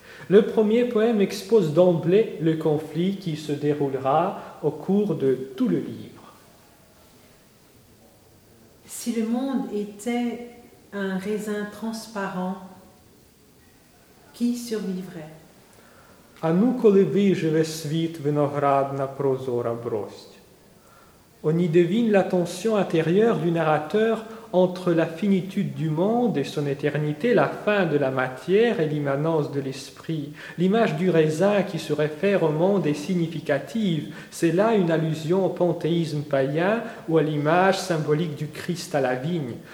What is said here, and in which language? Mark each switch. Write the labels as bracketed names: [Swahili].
[French] Le premier poème expose d'emblée le conflit qui se déroulera au cours de tout le livre. Si le monde était un raisin transparent, qui survivrait ? [Ukrainian] А ну, коли виживе світ виноградна прозора брость. [French] On y devine la tension intérieure du narrateur entre la finitude du monde et son éternité, la fin de la matière et l'immanence de l'esprit. L'image du raisin qui se réfère au monde est significative. C'est là une allusion au panthéisme païen ou à l'image symbolique du Christ à la vigne.